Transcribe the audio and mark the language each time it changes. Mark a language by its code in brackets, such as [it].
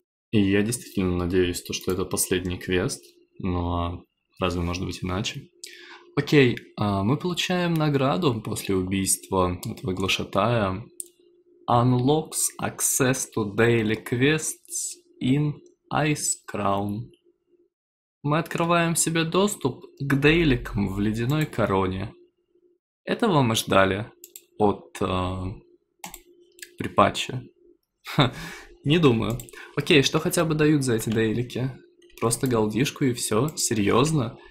[ru] И я действительно надеюсь, то, что это последний квест. Ну а разве может быть иначе? Окей, мы получаем награду после убийства этого глашатая. [en] Unlocks access to daily quests in Ice Crown. [ru] Мы открываем себе доступ к дейликам в Ледяной Короне. Этого мы ждали от припатча. Не думаю. Окей, что хотя бы дают за эти дейлики? Просто голдишку и все? Серьезно?